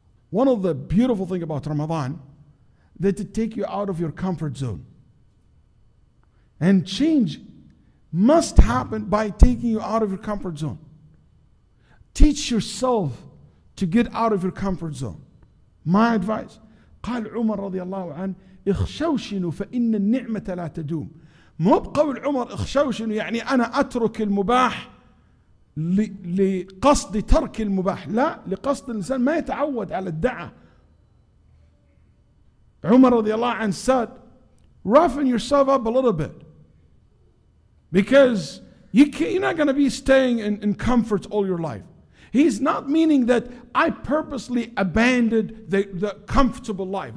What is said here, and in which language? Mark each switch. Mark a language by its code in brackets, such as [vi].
[en] One of the beautiful things about Ramadan, that it take you out of your comfort zone. And change must happen by taking you out of your comfort zone. Teach yourself to get out of your comfort zone. My advice, [ar] قال عمر رضي الله عنه اخشوشنوا فإن النعمة لا تدوم. مو بقول عمر اخشوشنوا يعني أنا أترك المباح لقصد ترك المباح، لا، لقصد الإنسان ما يتعود على الدعاء. عمر رضي الله عنه [en] said roughen yourself up a little bit because you're not going to be staying in comfort all your life. He's not meaning that I purposely abandoned the comfortable life.